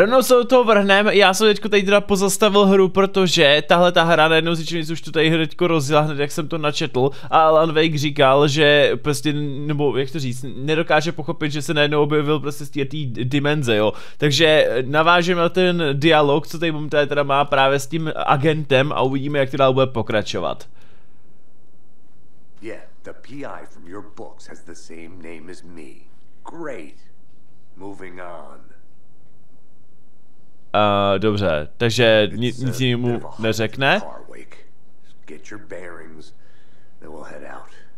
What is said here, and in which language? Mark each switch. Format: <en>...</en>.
<cs>Rovnou se do toho vrhneme, já jsem teďko tady teda pozastavil hru, protože tahle ta hra najednou si čím už to tady hnedko rozjela, hned jak jsem to načetl, a Alan Wake říkal, že prostě, nebo jak to říct, nedokáže pochopit, že se najednou objevil prostě z té dimenze, jo. Takže navážeme na ten dialog, co tady mám teda má právě s tím agentem a uvidíme, jak to dál bude pokračovat.</cs> <en>Yeah, the PI from your books has the same name as me. Great. Moving on.</en> <cs>Dobře, takže nic jemu neřekne.</cs> <en>Get your bearings, then we'll head out.</en>